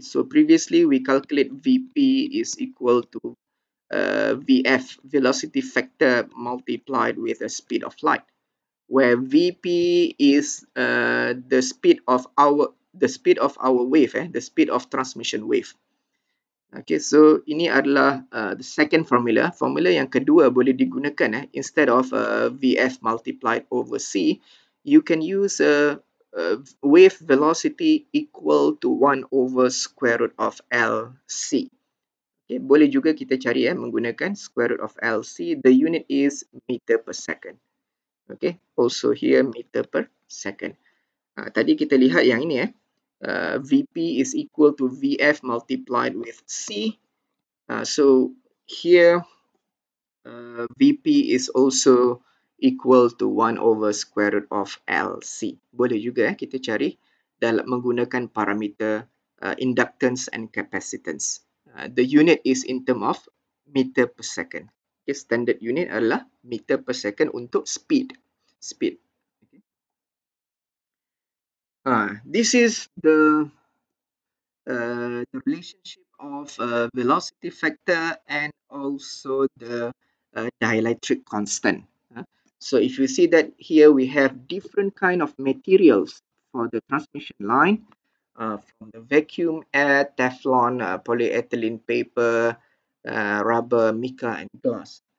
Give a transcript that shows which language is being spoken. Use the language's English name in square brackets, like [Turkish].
[English] So previously we calculate Vp is equal to Vf, velocity factor multiplied with the speed of light, where Vp is the speed of transmission wave. Okay, so [Malay] ini adalah [English] the second formula. [Malay] Formula yang kedua boleh digunakan [English] instead of Vf multiplied over C. You can use wave velocity equal to 1 over square root of Lc. [Malay] Okay, boleh juga kita cari menggunakan [English] square root of Lc. The unit is meter per second. Okay, also here meter per second. [Malay] Tadi kita lihat yang ini Vp [English] is equal to Vf multiplied with C. So here Vp is also equal to 1 over square root of Lc. [Malay] Boleh juga kita cari dalam menggunakan parameter [English] inductance and capacitance. The unit is in term of meter per second. Okay, standard unit [Malay] adalah [English] meter per second [Malay] untuk [English] speed. Speed. This is the relationship of velocity factor and also the dielectric constant. So if you see that here we have different kind of materials for the transmission line, from the vacuum air, Teflon, polyethylene paper, rubber, mica and glass.